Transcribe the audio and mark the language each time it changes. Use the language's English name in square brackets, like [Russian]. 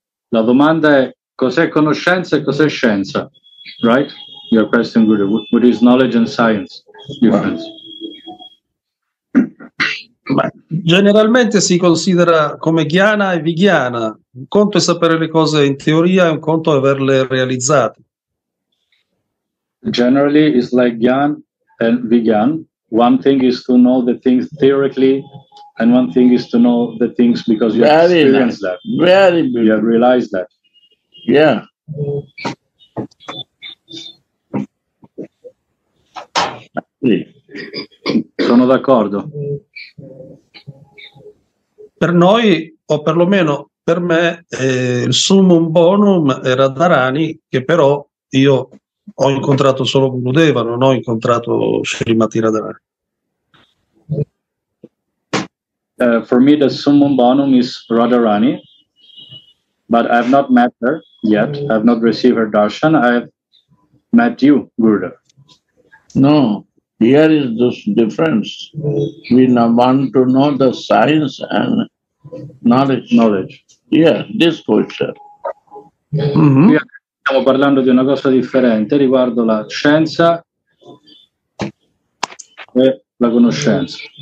[Italian] La domanda è cos'è conoscenza e cos'è scienza, right? [English] Your question, Guru, what is knowledge and science difference? [Italian] Generalmente si considera come jnana e vijnana. Un conto è sapere le cose in teoria e un conto è averle realizzate. [English] Generally it's like jnana and vijnana. One thing is to know the things theoretically and one thing is to know the things because you very experience That. Very good. You realize that. Yeah. [Italian] Sì, sono d'accordo. Per noi, o perlomeno per me, il summum bonum era Radharani, che però io ho incontrato solo Gurudeva, non ho incontrato Srimati Radharani. [English] For me the summum bonum is Radharani, but I have not met her yet. I have not received her darshan. I have met you, Gurudev. No, here is the difference. We want to know the science and knowledge. Knowledge. Yeah, this question. [Italian] Stiamo parlando di una cosa differente riguardo la scienza e la conoscenza.